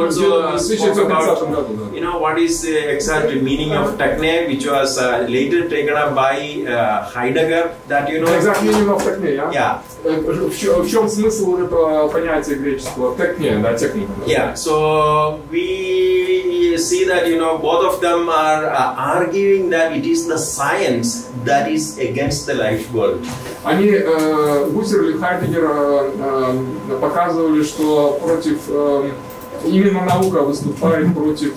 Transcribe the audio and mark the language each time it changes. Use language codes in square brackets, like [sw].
[en] He also spoke about you know what is the exact meaning of techne, which was later taken up by Heidegger, that you know exact meaning of techne, yeah [ru] в чём смысл этого понятия греческого techne, да, техника. [en] Yeah, so we see that, you know, both of them are arguing that it is the science that is against the life world. [ru] Они Гуссерль и Хайдеггер показывали, что против именно наука выступает против